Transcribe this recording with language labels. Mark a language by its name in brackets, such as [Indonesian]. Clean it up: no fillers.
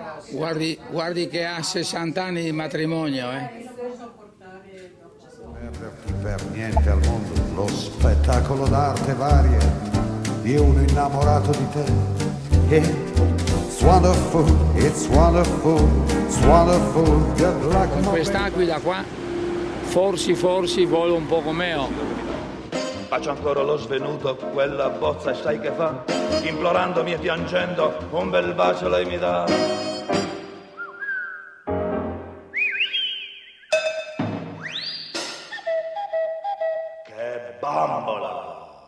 [Italian] Guardi, guardi che ha 60 anni di matrimonio, Non perderti per niente al mondo lo spettacolo d'arte varia di uno innamorato di te. [English] It's wonderful, it's wonderful, it's wonderful, good luck. [Italian] Con quest'aquila qua, forse volo un poco meno. Faccio ancora lo svenuto, quella bozza e sai che fa, implorandomi e piangendo, un bel bacio lei mi dà. Che bambola!